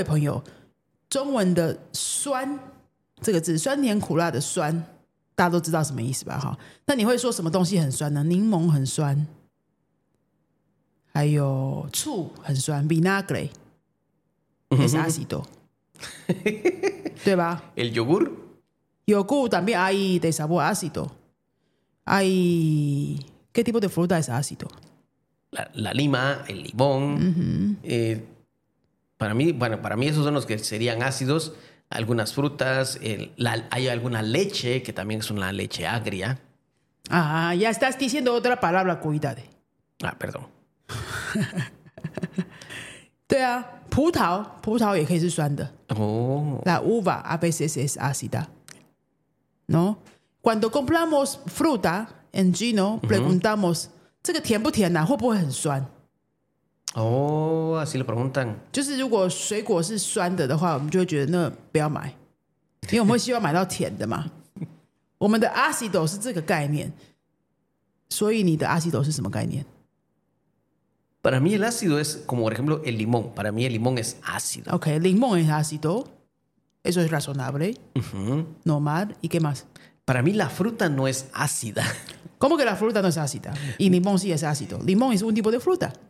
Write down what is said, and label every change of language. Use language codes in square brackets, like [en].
[es] Porque [zh] 这个字酸甜苦辣的酸，大家都知道什么意思吧？那你会说什么东西很酸呢？柠檬很酸，还有醋很酸 ， [es] vinagre， [zh] 也是ácido，对吧 [es] ？El yogur， yogur también hay de sabor ácido. Hay qué tipo de fruta es ácido？ La lima, el limón. Para mí esos son los que serían ácidos. Algunas frutas, hay alguna leche que también es una leche agria. Ah, ya estás diciendo otra palabra, cuídate. Ah, perdón. [zh] 对啊, 葡萄也可以是酸的. Oh. [es] La uva a veces es ácida. ¿No? Cuando compramos fruta en Gino, preguntamos, uh-huh. [zh] 这个甜不甜啊, 会不会很酸? [es] Oh. Así lo preguntan. [zh] 就是如果水果是酸的的话，我们就会觉得那不要买，因为我们希望买到甜的嘛。我们的 ácido 是这个概念，所以你的 ácido 是什么概念 [es] ？Para mí el ácido es como por ejemplo el limón. Para mí el limón es ácido. Okay, limón es ácido. Eso es razonable. Uh-huh. Normal. ¿Y qué más? Para mí la fruta no es ácida. ¿Cómo que la fruta no es ácida? Y limón sí es ácido. Limón es un tipo de fruta.